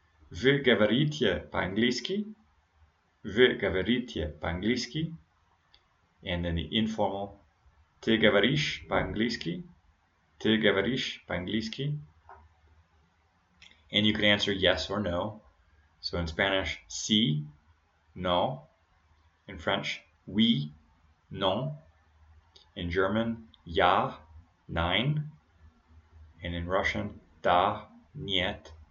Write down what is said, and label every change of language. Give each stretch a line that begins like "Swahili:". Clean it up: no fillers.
Russian: ¿Вы говорите по-английски? ¿Вы говорите по-английски?
English: And in the informal,
Russian: ты говоришь по-английски? Ты говоришь по-английски?
English: And you can answer yes or no. So in Spanish, sí, no. In French, oui, non. In German, ya, nein. And in Russian, da, нет.